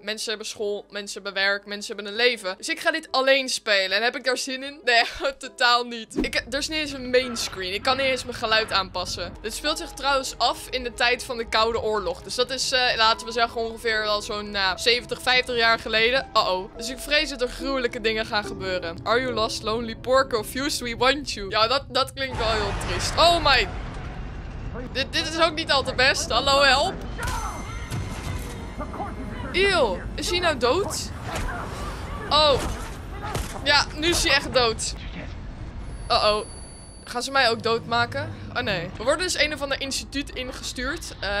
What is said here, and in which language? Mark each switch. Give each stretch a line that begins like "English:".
Dutch: Mensen hebben school, mensen hebben werk, mensen hebben een leven. Dus ik ga dit alleen spelen. En heb ik daar zin in? Nee, totaal niet. Er is niet eens een main screen. Ik kan niet eens mijn geluid aanpassen. Dit speelt zich trouwens af in de tijd van de Koude Oorlog. Dus dat is, laten we zeggen, ongeveer al zo'n 70, 50 jaar geleden. Uh-oh. Dus ik vrees dat er gruwelijke dingen gaan gebeuren.
English: Are you lost, lonely, poor, confused, we want you?
Dutch: Ja, dat klinkt wel heel triest. Oh my. Dit is ook niet al te best. Hallo, help. Eeuw, is hij nou dood? Oh. Ja, nu is hij echt dood. Uh-oh. Gaan ze mij ook doodmaken? Oh nee. We worden dus een of ander instituut ingestuurd.